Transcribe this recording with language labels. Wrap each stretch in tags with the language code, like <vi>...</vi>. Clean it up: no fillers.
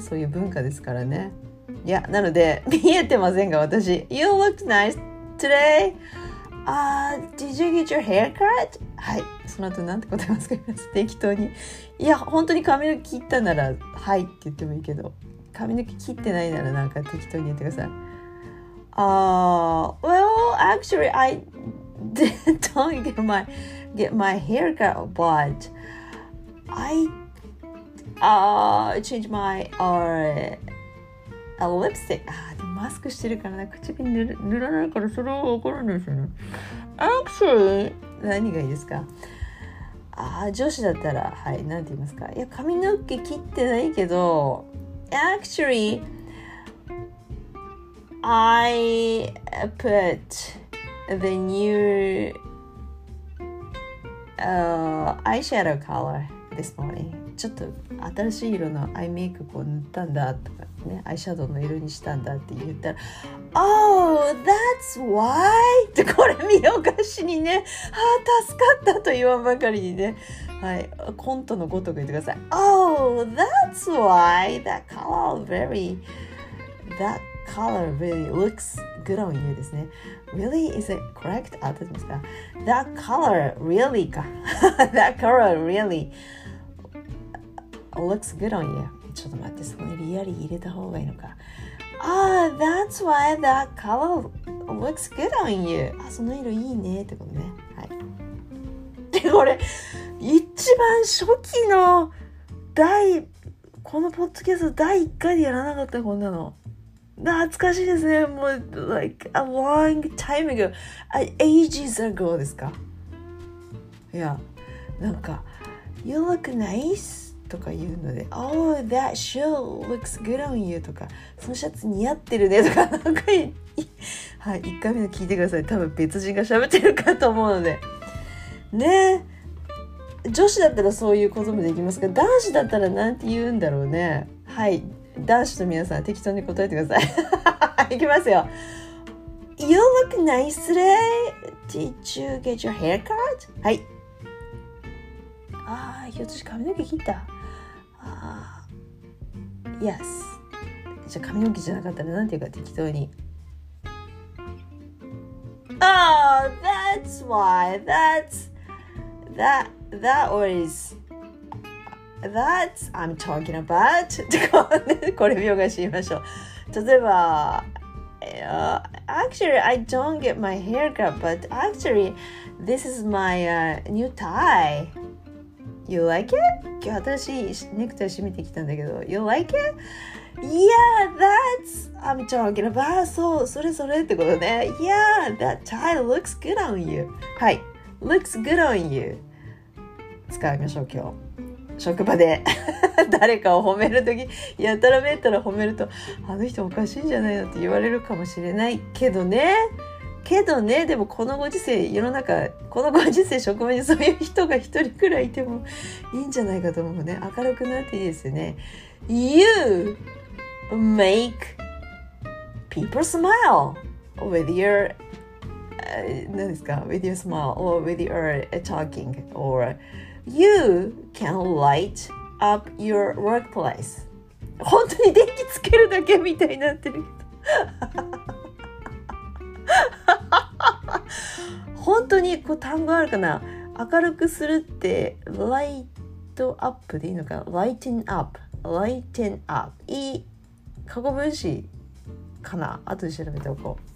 <ja>そういう文化ですからね。いや、なので、見えてませんが、私。</ja> <en>You looked nice today. Did you get your hair cut?</en> <ja>はい。その後、なんて答えますか適当に。いや、本当に髪の毛切ったなら、はいって言ってもいいけど。髪の毛切ってないなら、なんか適当に言ってください。</ja> <en>Well, actually, I don't get my hair cut, but I changed my lipstick.</en> <ja>でもマスクしてるからな、口紅塗らないからそれは分からないですよね。</ja> <en>Actually,</en> <ja>何がいいですか。女子だったら、はい、なんて言いますか。いや、髪の毛切ってないけど、</ja> <en>Actually, I put the new eyeshadow color this morning.</en> <ja>ちょっと新しい色のアイメイクを塗ったんだとかね、アイシャドウの色にしたんだって言ったら、</ja> <en>Oh, that's why!</en> <ja>ってこれ見逃しにね、あ、助かったと言わんばかりにね、はい、コントのごとく言ってください。</ja> <en>Oh, that's why! That color really looks good on you</en> <ja>ですね。</ja> <en>Really? Is it correct?</en> <ja>あ、どうですか?</ja> <en>That color really</en> <ja>か。</ja> <en>That color really. Looks good on you.</en> <ja>ちょっと待って、そこにリアリー入れた方がいいのか。</ja> <en>Ah, that's why that color looks good on you.</en> <ja>あ、その色いいねってことね。はい。で、これ、一番初期の第、このポッドキャスト第1回でやらなかったこんなの。懐かしいですね。もう、</ja> <en>like a long time ago. Ages ago</en> <ja>ですか。いや、なんか、</ja> <en>You look nice.</en> <ja>とか言うので、</ja> <en>Oh, that shirt looks good on you</en> <ja>とか、そのシャツ似合ってるねとか、なんか、はい、1回目の聞いてください。多分別人が喋ってるかと思うので。ね、女子だったらそういうこともできますが、男子だったらなんて言うんだろうね。はい、男子の皆さん、適当に答えてください。いきますよ。</ja> <en>You look nice today. Did you get your hair cut?</en> <ja>はい。ひょっとして髪の毛切った</ja> <en>Yes</en> <ja>じゃあ髪の毛じゃなかったらなんていうか適当に</ja> <en>Oh, that's why That's I'm talking about</en> <ja>これ見逃しましょう例えば</ja> <en>Actually, I don't get my hair cut But actually, this is my new tieYou like it?</en> <ja>今日新しいネクタイ締めてきたんだけど</ja> <en>You like it? Yeah, that's I'm talking about</en> <ja>そう、それそれってことね</ja> <en>Yeah, that tie looks good on you</en> <ja>はい</ja> <en>Looks good on you</en> <ja>使いましょう今日職場で誰かを褒めるとき、やたらめったら褒めると、あの人おかしいんじゃないのって言われるかもしれないけどね、けどね、でもこのご時世、世の中、このご時世、職場にそういう人が一人くらいいてもいいんじゃないかと思うね。明るくなっていいですよね。</ja> <en>You make people smile with your、</en> <ja>何ですか、</ja> <en>with your smile or with your talking or You can light up your workplace。</en> <ja>本当に電気つけるだけみたいになってるけど本当にこう単語あるかな、明るくするってライトアップでいいのかな、ライティンアップ、ライティンアップ、いい過去分詞かな、あとで調べておこう。</ja>